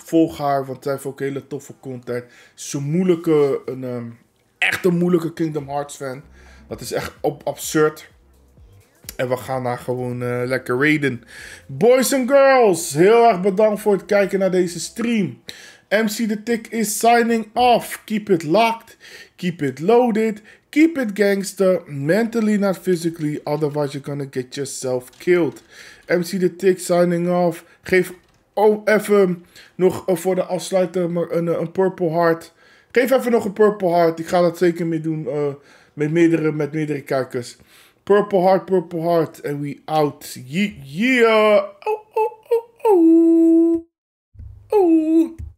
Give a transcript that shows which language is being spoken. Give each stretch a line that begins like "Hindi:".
Dutch: Volg haar, want zij heeft ook hele toffe content. Zo'n moeilijke... echt een moeilijke Kingdom Hearts fan. Dat is echt absurd. En we gaan haar gewoon lekker raiden.
English: Boys and girls,
Dutch: heel erg bedankt voor het kijken naar deze stream.
English: MC The Tick is signing off. Keep it locked. Keep it loaded. Keep it gangster, mentally, not physically, otherwise you're gonna get yourself killed. MC The Tick signing off.
Dutch: Geef even nog voor de afsluiter een purple heart. Geef even nog een purple heart. Ik ga dat zeker mee doen met meerdere kijkers.
English: Purple heart, and we out. Yeah. Oh, oh, oh, oh. Oh.